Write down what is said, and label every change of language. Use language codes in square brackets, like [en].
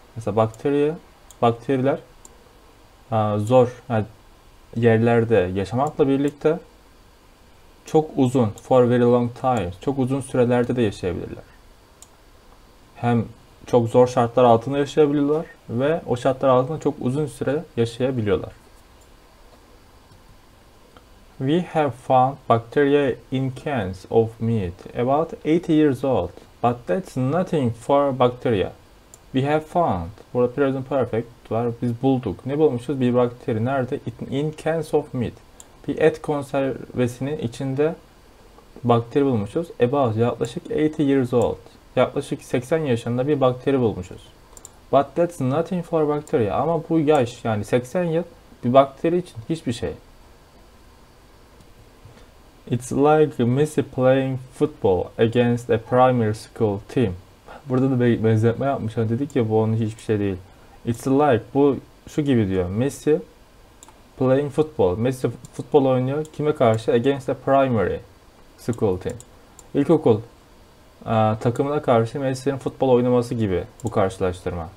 [tr] Mesela bakteriler zor yani yerlerde yaşamakla birlikte çok uzun, [en] for very long time, [tr] çok uzun sürelerde de yaşayabilirler. Hem çok zor şartlar altında yaşayabiliyorlar ve o şartlar altında çok uzun süre yaşayabiliyorlar. [en] We have found bacteria in cans of meat about 80 years old, but that's nothing for bacteria. We have found. [tr] Burada present perfect var. Biz bulduk. Ne bulmuşuz? Bir bakteri. Nerede? [en] In cans of meat. [tr] Bir et konservesinin içinde bakteri bulmuşuz. About yaklaşık [en] 80 years old. [tr] Yaklaşık 80 yaşında bir bakteri bulmuşuz. [en] But that's nothing for bacteria. [tr] Ama bu yaş yani 80 yıl bir bakteri için hiçbir şey. [en] It's like Messi playing football against a primary school team. [tr] Burada da bir benzetme yapmış. Hani dedik ya bu onun hiçbir şey değil. [en] It's like [tr] bu şu gibi diyor. [en] Messi playing football. [tr] Messi futbol oynuyor. Kime karşı? [en] Against a primary school team. [tr] İlkokul takımına karşı Messi'nin futbol oynaması gibi bu karşılaştırma.